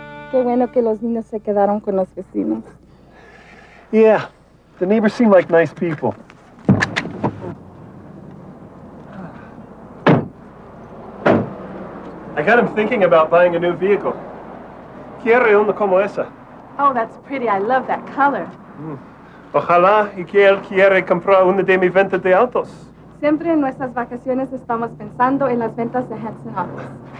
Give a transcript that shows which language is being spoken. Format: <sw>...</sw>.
<es>Qué bueno que los niños se quedaron con los vecinos.</es> <en>Yeah, the neighbors seem like nice people. I got him thinking about buying a new vehicle.</en> <es>quiere una como esa.</es> <en>Oh, that's pretty. I love that color. Mm.</en> <es>Ojalá y que él quiera comprar una de mis ventas de autos. Siempre en nuestras vacaciones estamos pensando en las ventas de Hanson Autos.</es>